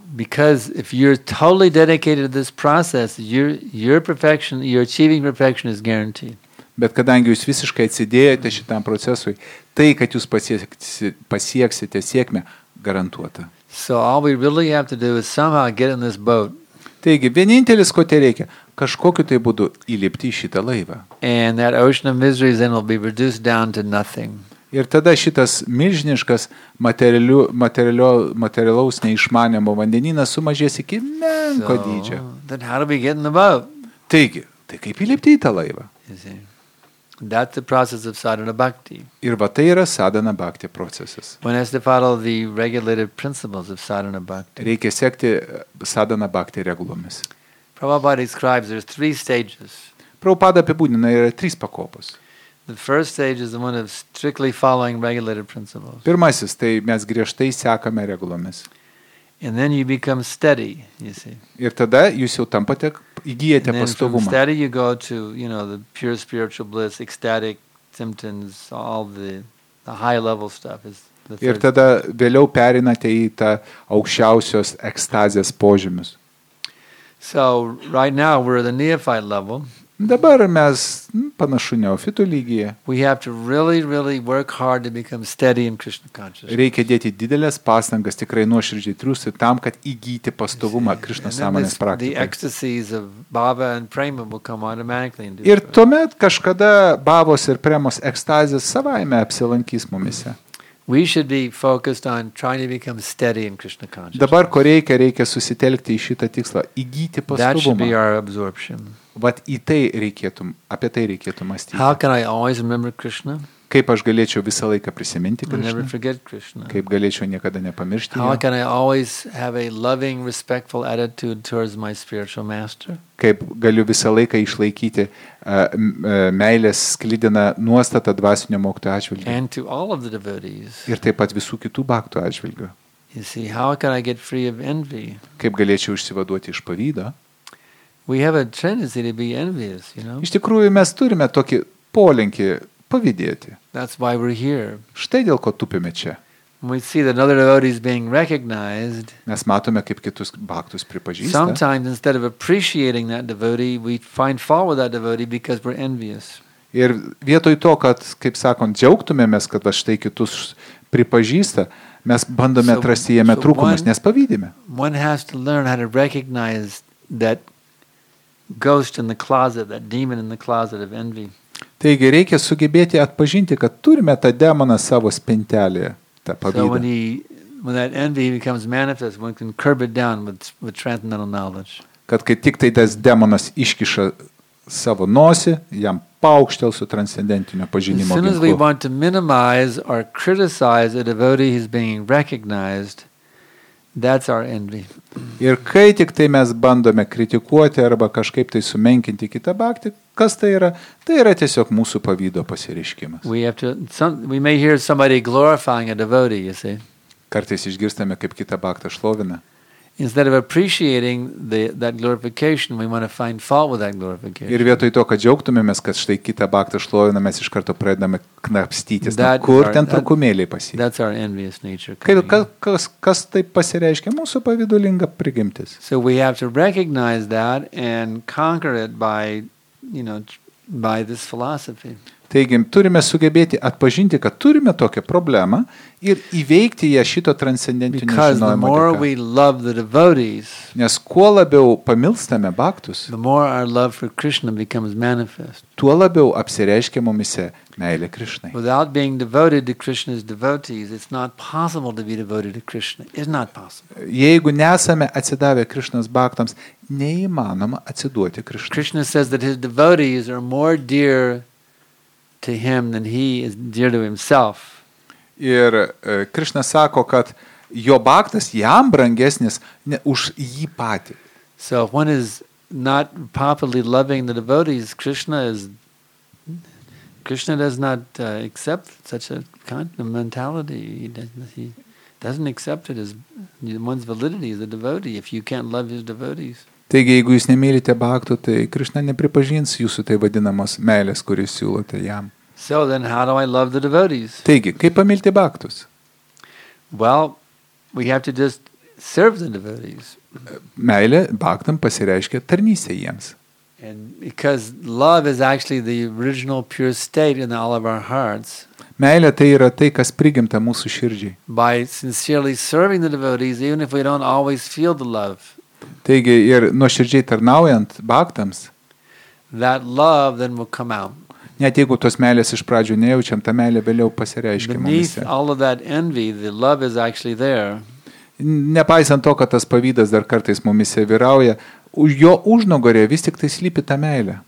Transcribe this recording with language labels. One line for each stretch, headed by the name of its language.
English: Because if you're totally dedicated to this process, your perfection, your achieving perfection is guaranteed.
Lithuanian: Bet kadangi jūs visiškai atsidėjote šitam procesui, tai, kad jūs pasieksite sėkmę, garantuota.
English: So all we really have to do is somehow get in this boat.
Lithuanian: Taigi, vienintelis, ko te reikia, kažkokiu tai būdu įlipti į šitą laivą.
English: And that ocean of misery then will be reduced down to nothing.
Lithuanian: Ir tada šitas milžiniškas materialaus neišmanimo vandenynas sumažės iki menko dydžio.
English: Then how do we get in the boat?
Lithuanian: Taigi, tai kaip įlipti į tą laivą?
English: That's the process of sadhana bhakti.
Lithuanian: Ir va tai yra sadhana bhakti procesas.
English: One has to follow the regulated principles of sadhana bhakti.
Lithuanian: Reikia sekti sadhana bhakti regulomis.
English: Prabhupada describes there's three stages.
Lithuanian: Prabhupada apibūdina, yra trys pakopos.
English: The first stage is the one of strictly following regulated principles.
Lithuanian: Pirmasis, tai mes griežtai sekame regulomis.
English: And then you become steady, you see.
Lithuanian: Ir tada jūs jau tampate, įgyjate pastovumą.
English: Steady you go to, you know, the pure spiritual bliss, ecstatic symptoms, all the high level stuff is the third.
Lithuanian: Ir tada vėliau perinate į tą aukščiausios ekstazės požymius.
English: So right now we're at the neophyte level.
Lithuanian: Dabar mes panašu neofitų lygyje.
English: We have to really, really work hard to become steady in Krishna consciousness.
Lithuanian: Reikia dėti dideles pastangas, tikrai nuoširdžiai triūsti tam, kad įgyti pastovumą Krishna sąmonės praktikoje.
English: The ecstasies of bhava and prema will come automatically.
Lithuanian: Ir tuomet kažkada bhavos ir premos ekstazės savaime apsilankys mumise.
English: We should be focused on trying to become steady in Krishna consciousness.
Lithuanian: Dabar ko reikia susitelkti į šitą tikslą, įgyti pastovumą.
English: That should be our absorption.
Lithuanian: Vat į tai reikėtų, apie tai reikėtų mąstyti.
English: How can I always remember Krishna?
Lithuanian: Kaip aš galėčiau visą laiką prisiminti Krishna?
English: Never forget Krishna.
Lithuanian: Kaip galėčiau niekada nepamiršti How jo?
English: Can I always have a loving, respectful attitude towards my spiritual master?
Lithuanian: Kaip galiu visą laiką išlaikyti meilės sklidiną nuostatą dvasinio mokto atžvilgiu.
English: And to all of the devotees.
Lithuanian: Ir taip pat visų kitų bhaktų atžvilgiu.
English: You see, how can I get free of envy?
Lithuanian: Kaip galėčiau išsivaduoti iš pavydo?
English: We have a tendency to be envious, you know.
Lithuanian: Iš tikrųjų, mes turime tokį polinkį pavydėti.
English: That's why we're here.
Lithuanian: Štai dėl ko tupime čia.
English: We see that another devotee is being recognized.
Lithuanian: Mes matome, kaip kitus bhaktus pripažįsta.
English: Sometimes instead of appreciating that devotee, we find fault with that devotee because we're envious.
Lithuanian: Ir vietoj to, kad, kaip sakant, džiaugtumėmės, kad va štai kitus pripažįsta, mes bandome atrasti jame trūkumus, nes pavydime.
English: One has to learn how to recognize that ghost in the closet, that demon in the closet of envy.
Lithuanian: Taigi reikia sugebėti atpažinti, kad turime tą demoną savo spintelėje, tą pavydą.
English: So when that envy becomes manifest, one can curb it down with transcendental knowledge.
Lithuanian: Kad kai tik tai tas demonas iškiša savo nosį, jam paukštel su transcendentinio pažinimo ginklu.
English: As soon as we want to minimize or criticize a devotee who's being recognized, that's our envy.
Lithuanian: Ir kai tik tai mes bandome kritikuoti arba kažkaip tai sumenkinti kitą baktį, kas tai yra? Tai yra tiesiog mūsų pavydo pasireiškimas.
English: We may hear somebody glorifying a devotee, you see.
Lithuanian: Kartais išgirstame, kaip kitą baktą šlovina.
English: Instead of appreciating that glorification, we want to find fault with that glorification.
Lithuanian: Ir vietoj to, kad džiaugtumėmės, kad štai kitą baktą šlovina, mes iš karto pradedame knapstytis. Kur ten trukumėliai pasi?
English: That's our envious nature.
Lithuanian: Kas tai pasireiškia mūsų pavidulinga prigimtis?
English: So we have to recognize that and conquer it by, you know, by this philosophy.
Lithuanian: Taigi, turime sugebėti atpažinti, kad turime tokią problemą ir įveikti ją šito transcendentinio žinojimo dėka. Nes kuo labiau pamilstame baktus,
English: the more our love for Krishna becomes manifest.
Lithuanian: Tuo labiau apsireiškia mumise meilė Krishnai.
English: Without being devoted to Krishna's devotees, it's not possible to be devoted to Krishna. It's not possible.
Lithuanian: Jeigu nesame atsidavę Krishnas baktams, neįmanoma atsiduoti Krishnai.
English: Krishna says that his devotees are more dear to him than he is dear to himself.
Lithuanian: Ir Krishna sako, kad jo baktas jam brangesnis ne už jį patį.
English: So if one is not properly loving the devotees, Krishna does not accept such a kind of mentality. He doesn't accept it as one's validity as a devotee if you can't love his devotees.
Lithuanian: Taigi, jeigu jūs nemylite baktų, tai Krishna nepripažins jūsų tai vadinamos meilės, kurį siūlote jam.
English: So then how do I love the devotees?
Lithuanian: Taigi, kaip pamilti baktus?
English: Well, we have to just serve the devotees.
Lithuanian: Meilė baktam pasireiškia tarnystė jiems.
English: And because love is actually the original pure state in all of our hearts.
Lithuanian: Meilė tai yra tai, kas prigimta mūsų širdžiai.
English: By sincerely serving the devotees, even if we don't always feel the love.
Lithuanian: Taigi ir nuoširdžiai tarnaujant baktams,
English: that love then will come out.
Lithuanian: Net jeigu tos meilės iš pradžių nejaučiam, ta meilė vėliau pasireiškia mumise.
English: All of that envy, the love is actually there.
Lithuanian: Nepaisant to, kad tas pavydas dar kartais mumise vyrauja, jo užnugorėje vis tik tai slypi ta meilė.